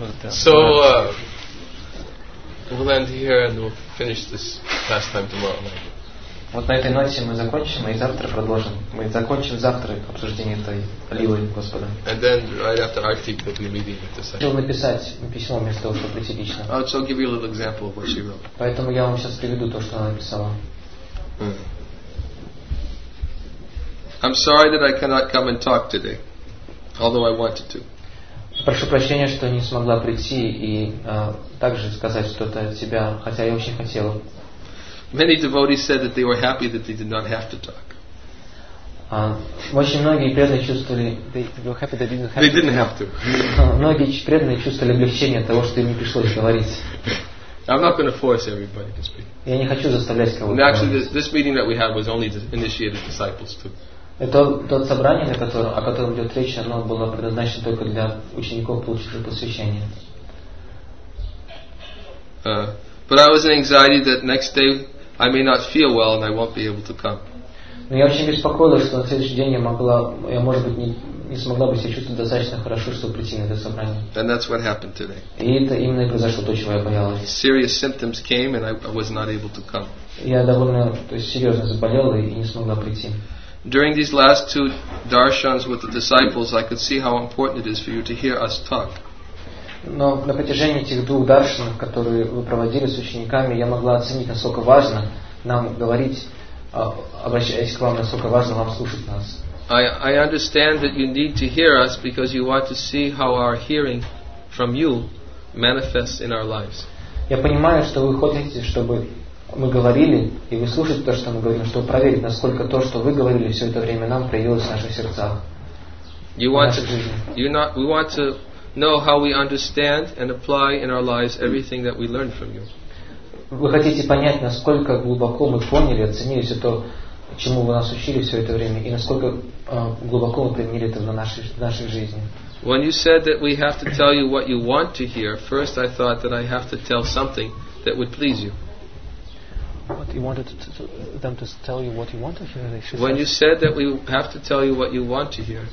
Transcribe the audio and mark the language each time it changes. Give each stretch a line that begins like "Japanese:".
English: So we'll end here and we'll finish this last time tomorrow night.
Russian: Вот на этой ноте мы закончим, и завтра продолжим. Мы закончим завтра обсуждение этой лилы Господа.
English: And then right after Arti, we'll be meeting with the Sahib.
Russian: Хотел написать письмо вместо того, чтобы прийти лично.
English: So I'll give you a little example of what she wrote.
Russian: Поэтому я вам сейчас приведу то, что она написала.
English: I'm sorry that I cannot come and talk today, although I wanted to.
Russian: Прошу прощения, что не смогла прийти и также сказать что-то от себя, хотя я очень хотела.
English: Many devotees said that they were happy that they did not have to talk.
Russian: Очень многие преданные чувствовали,
English: they were happy that they didn't have to. They didn't have to.
Russian: Многие преданные чувствовали облегчение от того, что им не пришлось говорить.
English: I'm not going to force everybody to speak.
Russian: Я не хочу заставлять кого-то.
English: And actually, this meeting that we had was only the initiated disciples too.
Russian: Это тот собрание, о котором идет речь, оно было предназначено только для учеников, получивших посвящение.
English: But I was in anxiety that next day I may not feel well and I won't be able to come.
Russian: Но я очень беспокоилась, что на следующий день я может быть не смогла бы себя чувствовать достаточно хорошо, чтобы прийти на это собрание.
English: And that's what happened today.
Russian: И это именно и произошло, то, чего я боялась.
English: Serious symptoms came and I was not able to come.
Russian: Я довольно, то есть серьезно заболела и не смогла прийти.
English: During these last 2 darshans with the disciples, I could see how important it is for you to hear us talk.
Russian: Но на протяжении этих 2 даршан, которые вы проводили с учениками, я могла оценить, насколько важно нам говорить, обращаясь к вам, насколько важно вам слушать нас.
English: I understand that you need to hear us because you want to see how our hearing from you manifests in our lives.
Russian: Я понимаю, что вы хотите, чтобы мы говорили, и вы слушаете то, что мы говорим, чтобы проверить, насколько то, что вы говорили все это время нам, проявилось в наших сердцах.
English: We want to know how we understand and apply in our lives everything that we learn from you.
Russian: Вы хотите понять, насколько глубоко мы поняли, оценили все то, чему вы нас учили все это время и насколько глубоко вы применили это в нашей жизни.
English: When you said that we have to tell you what you want to hear, first I thought that I have to tell something that would please you. What you wanted to them to tell you what you want to hear? When says, you said that we have to tell you what you want to hear.